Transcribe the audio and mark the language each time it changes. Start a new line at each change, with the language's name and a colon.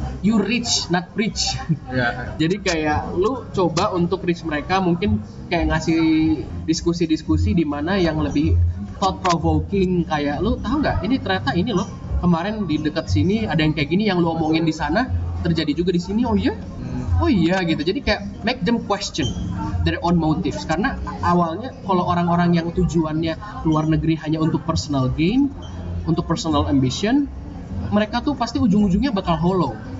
English: You reach, not preach.
Indonesian: Jadi kayak lu coba untuk reach mereka, mungkin kayak ngasih diskusi-diskusi di mana yang lebih
English: thought provoking,
Indonesian: kayak lu tahu nggak? Ini ternyata ini loh, kemarin di dekat sini ada yang kayak gini, yang lu omongin di sana terjadi juga di sini. Oh iya? Oh iya gitu. Jadi kayak
English: make them question their own motives.
Indonesian: Karena awalnya kalau orang-orang yang tujuannya luar negeri hanya untuk
English: personal gain,
Indonesian: untuk
English: personal ambition,
Indonesian: mereka tuh pasti ujung-ujungnya bakal hollow.